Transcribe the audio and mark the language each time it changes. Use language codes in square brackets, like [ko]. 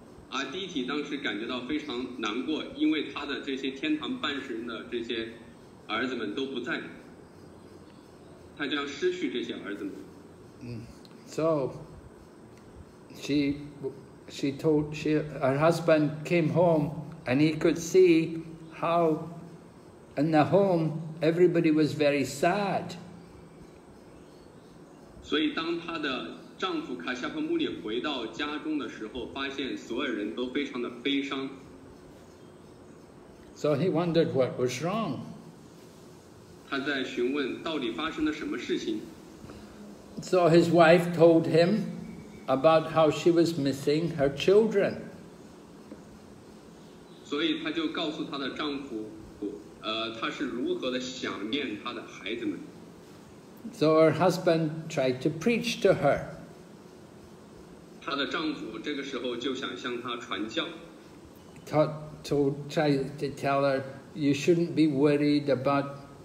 [zh] Aditi 当时感觉到非常难过，因为他的这些天堂半神的这些。儿子们都不在，他将失去这些儿子们。 [en] So she told her husband came home and he could see how in the home everybody was very sad. [zh] 所以当她的丈夫卡夏帕穆里回到家中的时候，发现所有人都非常的悲伤。 [en] So he wondered what was wrong. [zh] 他在询问到底发生了什么事情。 [en] So his wife told him about how she was missing her children. [zh] 所以他就告诉他的丈夫，他是如何的想念他的孩子们。 [en] So her husband tried to preach to her. [zh] 他的丈夫这个时候就想向他传教。 [en] Tried to tell her, you shouldn't be worried about.